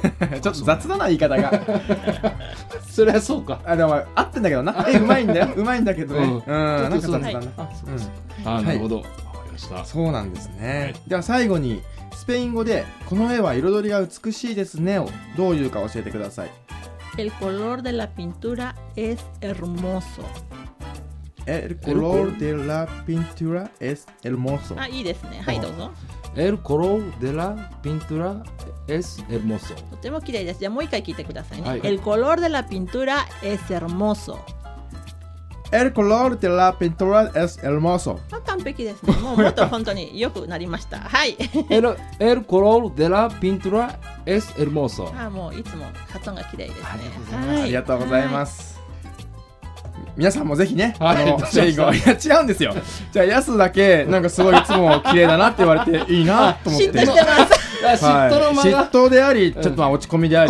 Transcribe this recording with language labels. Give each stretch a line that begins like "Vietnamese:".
Japanese: ちょっと雑だな言い方が。それはそうか。あ、でも合ってんだけどな。絵うまいんだよ、うまいんだけどね。うん、なんか雑だな。なるほど、わ、はい、かりました。そうなんですね、はい、では最後にスペイン語でこの絵は彩りが美しいですねをどういうか教えてください。
Spanish: El color de la pintura es hermoso. El color de la pintura es hermoso.
Japanese: Ah, いいですね。はい、どうぞ。
Spanish: El color de la pintura es hermoso.
Japanese: とても綺麗です。じゃあもう一回聞いてくださいね。はい、
Spanish: El color de la pintura es hermoso. El color de la pintura es hermoso.
Japanese: 完璧ですね。もうもっと本当によくなりました。はい。
Spanish: El color de la pintura es hermoso.
Japanese: ああ、もういつも発音が綺麗ですね。ありがとうございます。はい、ありがとうございます。皆さんもぜひね、はい、スペイン語、いや違うんですよ。じゃあ、ヤスだけ、なんかすごいいつも綺麗だなって言われていいなと思って。嫉妬してます。嫉妬の間が、はい、嫉妬であり、ちょっと落ち込みであり、